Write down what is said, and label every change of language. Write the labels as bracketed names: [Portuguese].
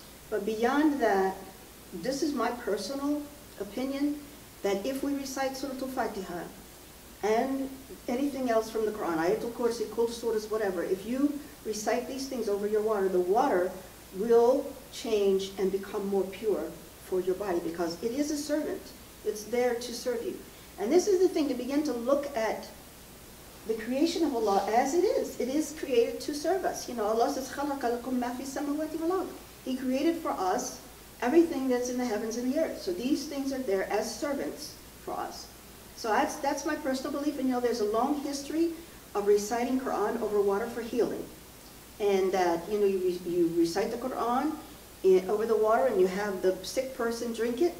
[English] But beyond that, this is my personal opinion, that if we recite Suratul Fatiha and anything else from the Quran, Ayatul Kursi, Kul Surahs, whatever, if you recite these things over your water, the water will change and become more pure for your body because it is a servant. It's there to serve you. And this is the thing, to begin to look at the creation of Allah as it is. It is created to serve us. You know, Allah says, [Arabic] خَلَقَ لَكُمْ مَا فِي السَّمَوَاتِ وَالْأَرْضِ. [English] He created for us everything that's in the heavens and the earth. So these things are there as servants for us. So that's my personal belief. And you know, there's a long history of reciting Quran over water for healing. And that, you know, you recite the Quran over the water and you have the sick person drink it.